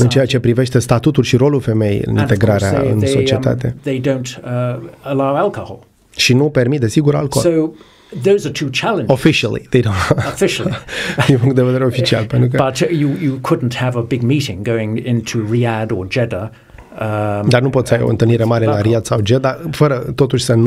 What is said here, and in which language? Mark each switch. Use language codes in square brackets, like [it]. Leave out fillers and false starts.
[ro] În ceea ce privește statutul și rolul femeii în integrarea în societate. [en] They don't allow alcohol. [ro] Și nu permit, desigur, alcool. [en] So, those are two challenges. Officially, they don't. Officially. [ro] Din punct de vedere oficial, pentru că [en] but you couldn't have a big meeting going into Riyadh or Jeddah. [ro] Dar nu poți să ai o întâlnire mare la Riyadh sau Jeddah fără totuși să nu